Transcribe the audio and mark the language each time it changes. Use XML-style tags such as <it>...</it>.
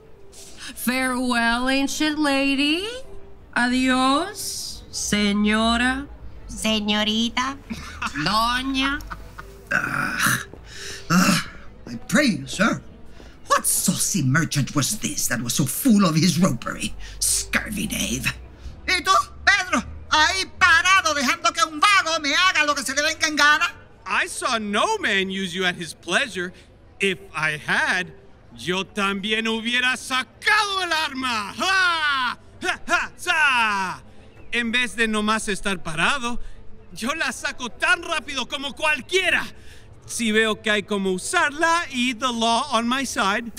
<en>Farewell, ancient lady.</en> <es>Adios, señora. Señorita. Doña.</es> <en>I pray you, sir. What saucy merchant was this that was so full of his ropery? Scurvy knave.</en> <es>¿Y tú, Pedro? Ahí parado, dejando que un vago me haga lo que se le venga en gana.</es> <en>I saw no man use you at his pleasure. If I had,</en> <es>yo también hubiera sacado el arma. ¡Ha! ¡Ha! ¡Ha! En vez de nomás estar parado, yo la saco tan rápido como cualquiera. Si veo que hay como usarla y</es> <en>the law on my side.</en>